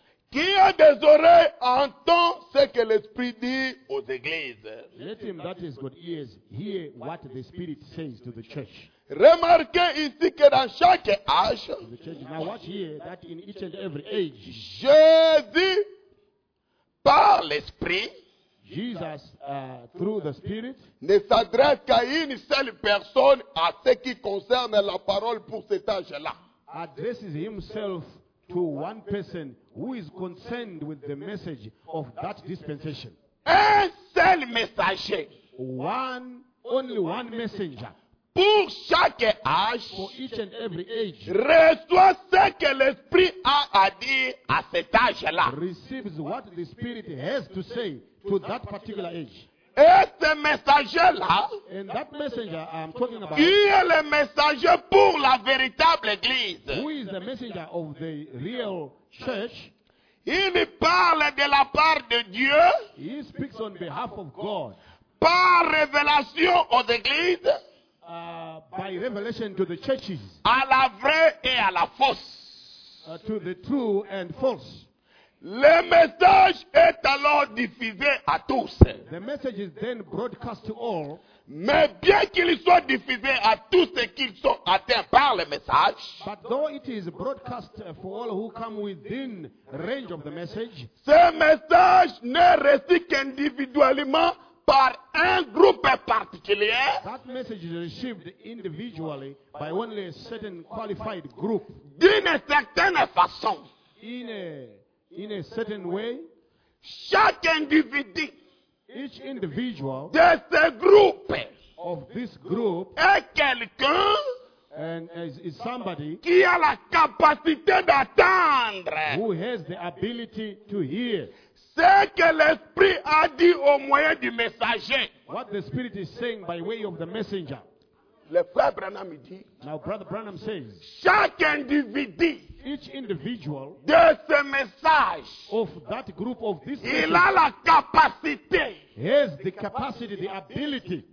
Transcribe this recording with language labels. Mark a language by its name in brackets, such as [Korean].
[French] Qui a des oreilles entend ce que l'Esprit dit aux églises. [English] Let him that has got ears hear what the Spirit says to the church. [French] Remarquez ici que dans chaque âge, [English] the church, now watch here that in each and every age, [French] Jésus par l'Esprit, [English] Jesus through the Spirit, [French] ne s'adresse qu'à une seule personne à ce qui concerne la parole pour cet âge-là. [English] Addresses himself to one person who is concerned with the message of that dispensation. [French] Un seul messager. [English] One, only one messenger. [French] Pour chaque âge. [English] For each and every age. [French] Reçoit ce que l'Esprit a à dire à cet âge-là. [English] Receives what the Spirit has to say to that particular age. [French] Et ce messager-là. [English] And that messenger I'm talking about. [French] Qui est le messager pour la véritable église. [English] Who is the messenger of the real church. [French] Il parle de la part de Dieu. [English] He speaks on behalf of God. [French] Par révélation aux églises. [English] By revelation to the churches. [French] À la vraie et à la fausse. [English] To the true and false. [French] Le message est alors diffusé à tous. [English] The message is then broadcast to all. [French] Mais bien qu'il soit diffusé à tous ceux qui sont atteints par le message. [English] But though it is broadcast for all who come within range of the message. [French] Ce message n'est reçu qu'individuellement par un groupe particulier. [English] That message is received individually by only a certain qualified group. [French] D'une certaine façon. [English] In a certain way, [French] chaque individu, [English] each individual [French] de ce groupe, [English] of this group, [French] est quelqu'un, [English] and is somebody [French] qui a la capacité d'attendre, [English] who has the ability to hear, [French] ce que l'Esprit a dit au moyen du messager, [English] what the Spirit is saying by way of the messenger. [French] Le frère Branham dit, [English] now Brother Branham says, [French] chaque individu. [English] Each individual [French] de ce message [English] of that group of this [French] il a la capacité [English] has the capacity, the ability